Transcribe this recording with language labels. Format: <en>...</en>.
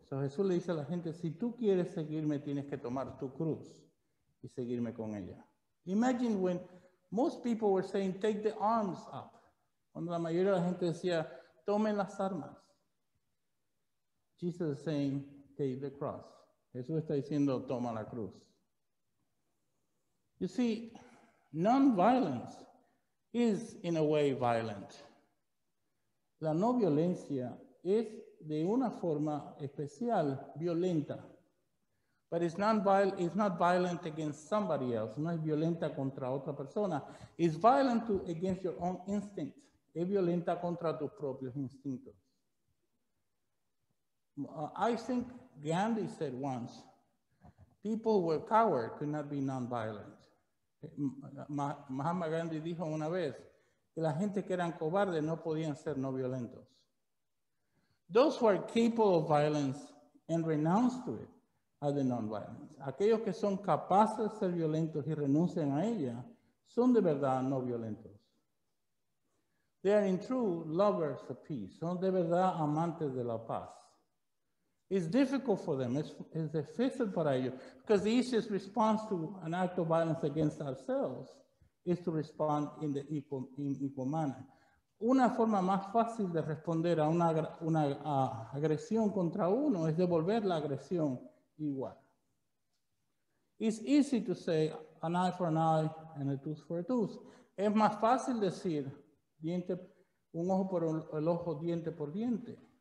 <es>So Jesús le dice a la gente, si tú quieres seguirme, tienes que tomar tu cruz y seguirme con ella.</es> <en>Imagine when most people were saying, take the arms up.</en> <es>Cuando la mayoría de la gente decía, tomen las armas.</es> <en>Jesus is saying, take the cross.</en> <es>Jesús está diciendo, toma la cruz.</es> <en>You see, non-violence is, in a way, violent.</en> <es>La no violencia es, de una forma especial, violenta.</es> <en>But it's not violent against somebody else.</en> <es>No es violenta contra otra persona.</es> <en>It's violent against your own instinct.</en> <es>Es violenta contra tus propios instintos.</es> <en>I think Gandhi said once, people who were cowards could not be nonviolent.</en> <es>Mahatma Gandhi dijo una vez que la gente que eran cobardes no podían ser no violentos.</es> <en>Those who are capable of violence and renounce to it are the nonviolent.</en> <es>Aquellos que son capaces de ser violentos y renuncian a ella son de verdad no violentos.</es> <en>They are in true lovers of peace.</en> <es>Son de verdad amantes de la paz.</es> <en>It's difficult for them, it's difficult for you, because the easiest response to an act of violence against ourselves is to respond in the equal manner.</en> <es>Una forma más fácil de responder a una agresión contra uno es devolver la agresión igual.</es> <en>It's easy to say an eye for an eye and a tooth for a tooth.</en> <es>Es más fácil decir diente, un ojo por el ojo, diente por diente.</es>